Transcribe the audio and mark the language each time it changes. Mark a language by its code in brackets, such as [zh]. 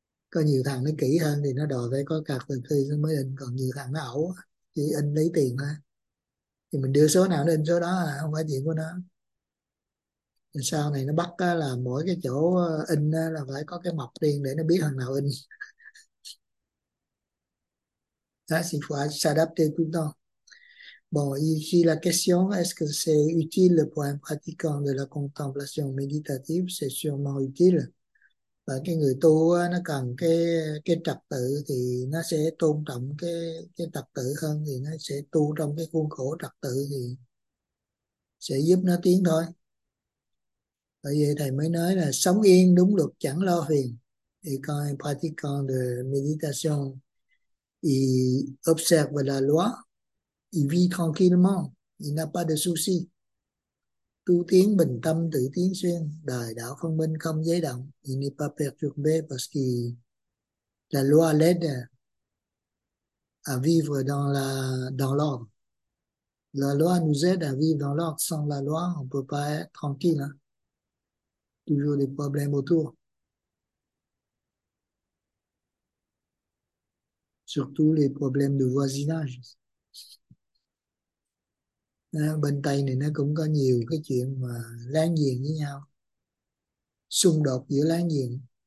[vi] Có nhiều thằng nó kỹ hơn thì nó đòi phải có card tờ khai mới in. Còn nhiều thằng nó ẩu, chỉ in lấy tiền thôi. Thì mình đưa số nào lên số đó là không phải chuyện của nó. Rồi sau này nó bắt á, là mỗi cái chỗ in á, là phải có cái mộc riêng để nó biết thằng nào in. [fr] Là s'il faut s'adapter tout le temps. Bon, ici la question, est-ce que c'est utile pour un pratiquant de la contemplation méditative? C'est sûrement utile. [vi] Và cái người tu á, nó cần cái trật tự thì nó sẽ tôn trọng cái trật tự hơn, thì nó sẽ tu trong cái khuôn khổ trật tự thì sẽ giúp nó tiến thôi. Bởi vậy thầy mới nói là sống yên đúng luật chẳng lo phiền. Thì coi [fr] pratiquant de méditation y observe la loi y vit tranquillement, il n'a pas de souci. [vi] Tu tiến bình tâm tự tiến xuyên, đời đạo phân minh không giấy động, [fr] il n'est pas perturbé parce que la loi l'aide à vivre dans l'ordre. La loi nous aide à vivre dans l'ordre. Sans la loi, on ne peut pas être tranquille. Hein? Toujours des problèmes autour. Surtout les problèmes de voisinage. [vi] Bên Tây này nó cũng có nhiều cái chuyện mà láng giềng với nhau. Xung đột giữa láng giềng.